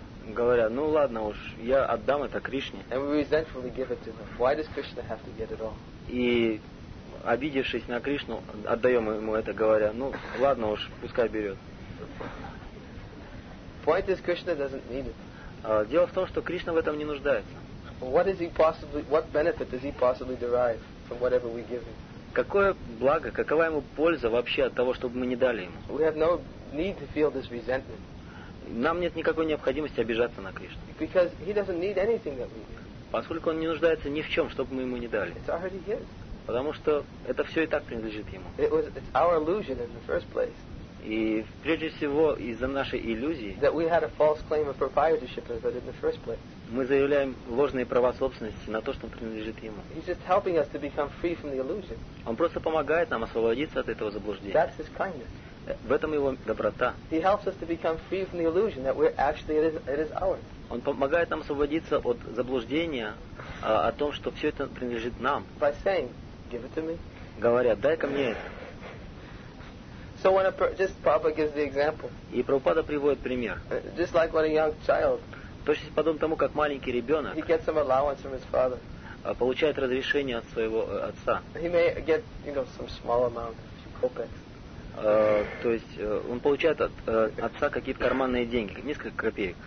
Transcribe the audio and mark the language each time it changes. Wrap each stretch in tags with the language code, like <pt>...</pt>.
<ru>Говоря, ну ладно уж, я отдам это Кришне.</ru> <en>And we resentfully give it to him. Why does Krishna have to get it all?</en> <ru>И обидевшись на Кришну, отдаем ему это, говоря, ну ладно уж, пускай берет.</ru> <en>Point is, Krishna doesn't need it.</en> <ru>Дело в том, что Кришна в этом не нуждается.</ru> <en>What is he possibly, what benefit does he possibly derive from whatever we give him?</en> <ru>Какое благо, какова ему польза вообще от того, чтобы мы не дали ему?</ru> <en>We have no need to feel this resentment.</en> <ru>Нам нет никакой необходимости обижаться на Кришну.</ru> <en>Because he doesn't need anything that we give.</en> <ru>Поскольку он не нуждается ни в чем, чтобы мы ему не дали.</ru> <en>It's already his.</en> <ru>Потому что это все и так принадлежит ему.</ru> <en>It's our illusion in the first place.</en> <ru>И прежде всего из-за нашей иллюзии.</ru> <en>That we had a false claim of proprietorship of it in the first place.</en> <ru>Мы заявляем ложные права собственности на то, что принадлежит ему.</ru> <en>He's just helping us to become free from the illusion.</en> <ru>Он просто помогает нам освободиться от этого заблуждения.</ru> <en>That's his kindness.</en> <ru>В этом его доброта.</ru> <en>He helps us to become free from the illusion that we're actually it is ours.</en> <ru>Он помогает нам освободиться от заблуждения о том, что все это принадлежит нам.</ru> <en>By saying, give it to me.</en> <ru>Говоря, дай-ка мне.</ru> <en>So when just Prabhupada gives the example.</en> <ru>И Прабхупада приводит пример.</ru> <en>Just like when a young child.</en> <ru>Точно подобно тому, как маленький ребенок.</ru> <en>He gets some allowance from his father.</en> <ru>Получает разрешение от своего отца.</ru> <en>He may get, you know, some small amount, a few kopecks.</en> <ru>То есть он получает от отца какие-то карманные деньги, несколько копеек.</ru>